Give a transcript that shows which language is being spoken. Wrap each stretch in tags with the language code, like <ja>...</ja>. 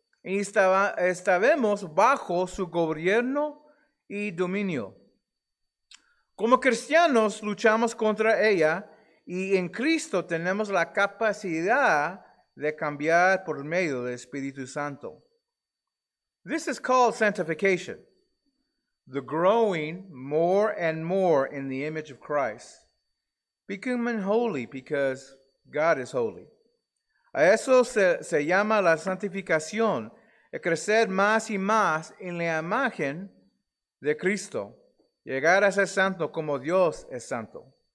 <es>Y estábamos bajo su gobierno y dominio. Como cristianos, luchamos contra ella. Y en Cristo, tenemos la capacidad de cambiar por medio del Espíritu Santo.</es> <en>This is called sanctification. The growing more and more in the image of Christ. Becoming holy because God is holy.</en> <es>A eso se llama la santificación, el crecer más y más en la imagen de Cristo. Llegar a ser santo como Dios es santo.</es>